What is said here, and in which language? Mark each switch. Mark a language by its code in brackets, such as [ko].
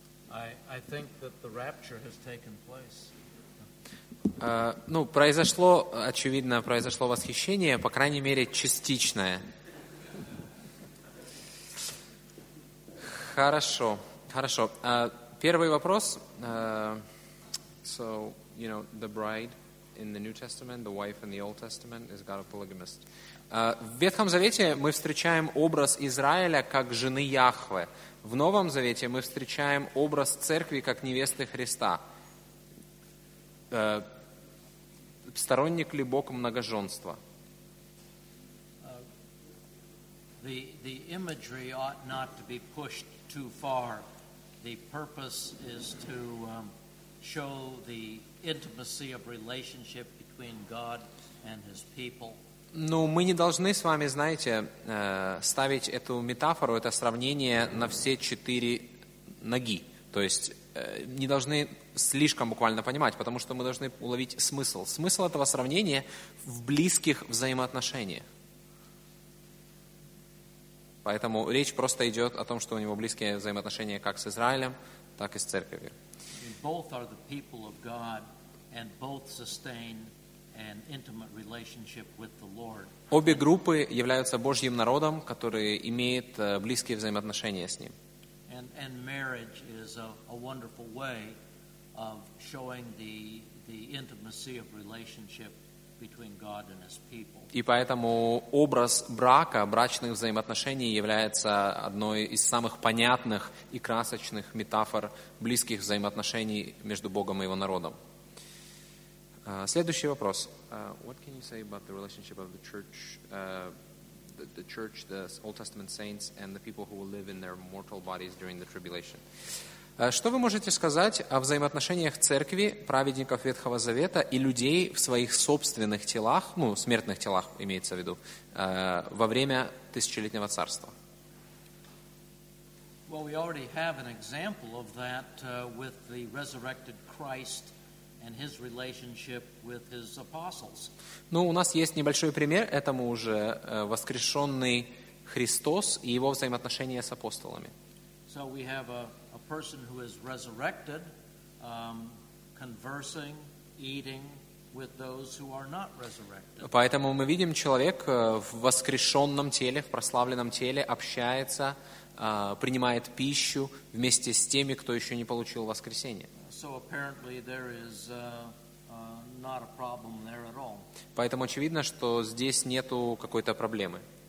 [en] I think that the rapture has taken place. [ru] Ну, произошло, очевидно, произошло восхищение, по крайней мере, частичное. Хорошо, хорошо. Первый вопрос. [en] You know, the bride in the New Testament, the wife in the Old Testament is God a polygamist. [ru] В Ветхом Завете мы встречаем образ Израиля как жены Яхве. В Новом Завете мы встречаем образ церкви как невесты Христа. Сторонник ли Бог многоженства? [en] The imagery ought not to be pushed too far. The purpose is to show the intimacy of relationship between God and His people. [ru] Ну, мы не должны с вами, знаете, ставить эту метафору, это сравнение на все четыре ноги. То есть не должны слишком буквально понимать, потому что мы должны уловить смысл. Смысл этого сравнения в близких взаимоотношениях. Поэтому речь просто идет о том, что у него близкие взаимоотношения как с Израилем, так и с церковью. [en] Both are the people of God, and both sustain an intimate relationship with the Lord. [ru] Обе группы являются Божьим народом, который имеет близкие взаимоотношения с Ним. [en] And marriage is a wonderful way of showing the intimacy of relationship between God and His people. [ru] И поэтому образ брака, брачных взаимоотношений является одной из самых понятных и красочных метафор близких взаимоотношений между Богом и Его народом. Следующий вопрос. [en] What can you say about the relationship of the church, the church, the Old Testament saints, and the people who will live in their mortal bodies during the tribulation? [ru] Что вы можете сказать о взаимоотношениях церкви, праведников Ветхого Завета и людей в своих собственных телах, ну, смертных телах, имеется в виду, во время тысячелетнего царства? [en] Well, we already have an example of that with the resurrected Christ and his relationship with his apostles. [ru] Ну, у нас есть небольшой пример этому уже воскрешенный Христос и его взаимоотношения с апостолами. [en] So we have a person who is resurrected, conversing, eating with those who are not resurrected. [ru] Поэтому мы видим, человек в воскрешенном теле, в прославленном теле общается, принимает пищу вместе с теми, кто еще не получил воскресение. [en] So apparently there is not a problem there at all. [ru] Поэтому очевидно, что здесь нету какой-то проблемы.